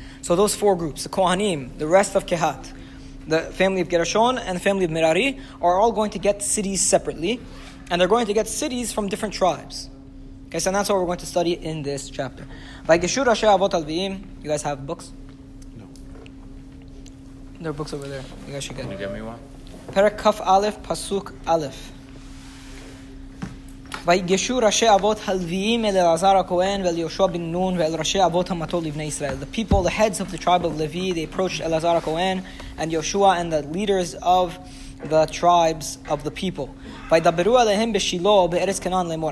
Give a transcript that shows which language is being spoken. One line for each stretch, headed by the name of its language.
English: So those 4 groups, the Kohanim, the rest of Kehat, the family of Gershon, and the family of Merari, are all going to get cities separately, and they're going to get cities from different tribes. Okay, so that's what we're going to study in this chapter. You guys have books? No. There are books over there. You guys should get it. Can you get me one? Perek Kaf Aleph, Pasuk Aleph.
Hebrew: ויגשו ראשי אבות הלוויים אל אלעזר הכהן ואל יהושע בן נון ואל ראשי אבות המטות לבני ישראל.
English: The people, the heads of the tribe of Levi, they approached Elazar Kohen and Yeshua and the leaders of the tribes of the people.
Hebrew: וידברו אליהם בשילה בארץ כנען לאמור.